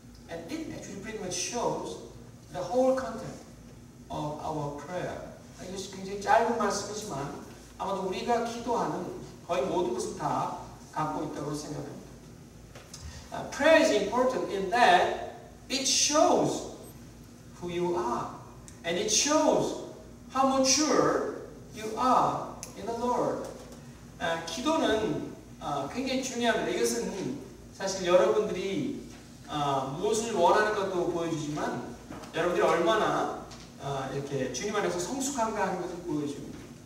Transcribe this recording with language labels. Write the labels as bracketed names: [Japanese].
[English] And it actually pretty much shows the whole content of our prayer. [Korean] 이것이 굉장히 짧은 말씀이지만 아마도 우리가 기도하는 거의 모든 것을 다 갖고 있다고 생각합니다. [English] Prayer is important in that it shows who you are. And it shows how mature you are in the Lord. [Korean] 기도는 굉장히 중요합니다. 이것은 사실 여러분들이 무엇을 원하는 것도 보여주지만 여러분들이 얼마나 이렇게 주님 안에서 성숙한가 하는 것을 보여줍니다.